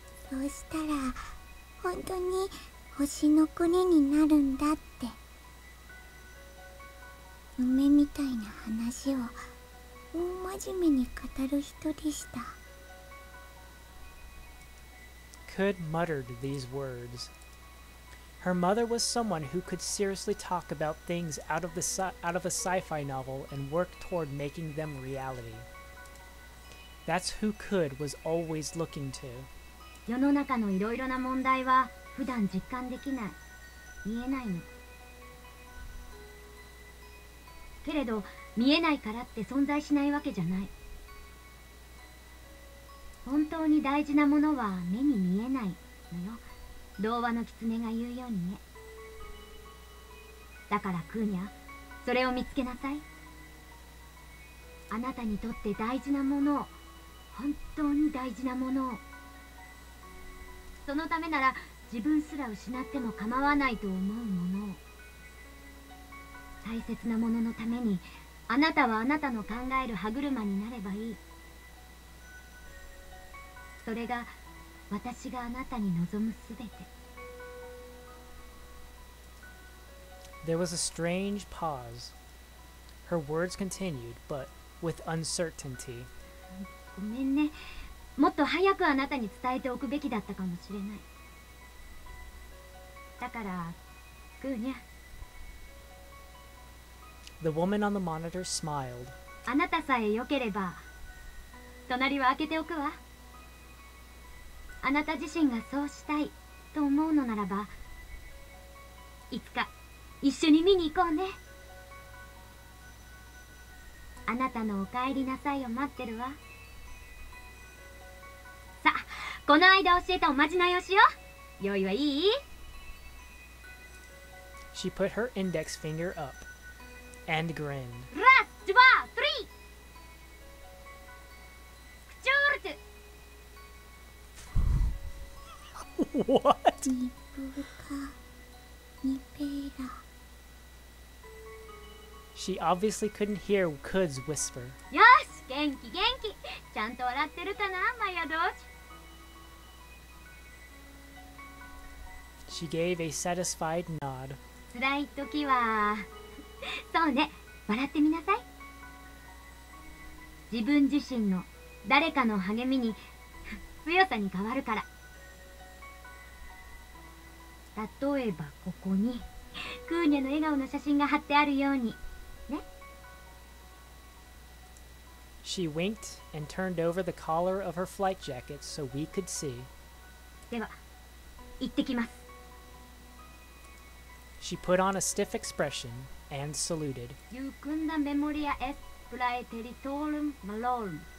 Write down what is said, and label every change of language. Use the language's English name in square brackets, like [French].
[Japanese] そうしたら本当に星の国になるんだって。夢みたいな話を大真面目に語る人でした。 [English] Could muttered these words. Her mother was someone who could seriously talk about things out of a sci-fi novel and work toward making them reality. That's who Could was always looking to. [Japanese] 世の中のいろいろな問題は普段実感できない、見えないのけれど、見えないからって存在しないわけじゃない。本当に大事なものは目に見えないのよ。童話の狐が言うようにね。だからクーニャ、それを見つけなさい。あなたにとって大事なものを、本当に大事なものを。そのためなら自分すら失っても構わないと思うものを。大切なもののために、あなたはあなたの考える歯車になればいい。それが私があなたに望むすべて。 [English] There was a strange pause. Her words continued, but with uncertainty. [Japanese] ごめんね。もっと早くあなたに伝えておくべきだったかもしれない。だから、グーニャ。 [English] The woman on the monitor smiled. [Japanese] あなたさえよければ、隣は開けておくわ。あなた自身がそうしたいと思うのならば、いつか一緒に見に行こうね。あなたのお帰りなさいを待ってるわ。さあ、この間教えたおまじないをしよう。用意はいい？ [English] She put her index finger up and grinned. [Japanese] ラス、ドゥバー、トゥリー、クチュールトゥ。 [English] What? [Japanese] ニプルカ、ニペーラ。 [English] She obviously couldn't hear Kud's whisper. [Japanese] よし、元気元気。ちゃんと笑ってるかな、マヤドーチ。 [English] She gave a satisfied nod. [Japanese] 辛い時は、そうね、笑ってみなさい。自分自身の、誰かの励みに、強さに変わるから。例えばここに、クーニャの笑顔の写真が貼ってあるように。 [English] She winked and turned over the collar of her flight jacket so we could see. [Japanese] では、行ってきます。 [English] She put on a stiff expression and saluted. [Latin] Jucunda memoria est praeteritorum malorum.